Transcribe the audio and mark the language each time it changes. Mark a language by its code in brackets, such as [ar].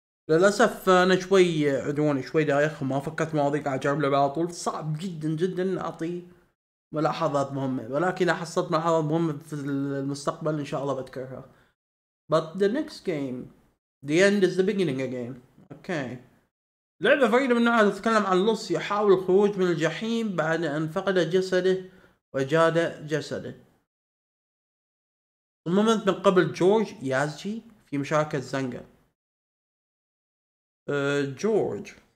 [ar] للاسف انا شوي عدواني شوي دايخ وما فكرت مواضيع قاعد اجرب لعبه على طول. صعب جدا جدا اعطي ملاحظات مهمه، ولكن اذا حصلت ملاحظات مهمه في المستقبل ان شاء الله بذكرها. [en] But the next game, the end is the beginning again. Okay. [ar] لعبة فريدة من نوعها تتكلم عن لص يحاول الخروج من الجحيم بعد أن فقد جسده وجاد جسده. صممت من قبل جورج يازجي في مشاركة زنجا. جورج.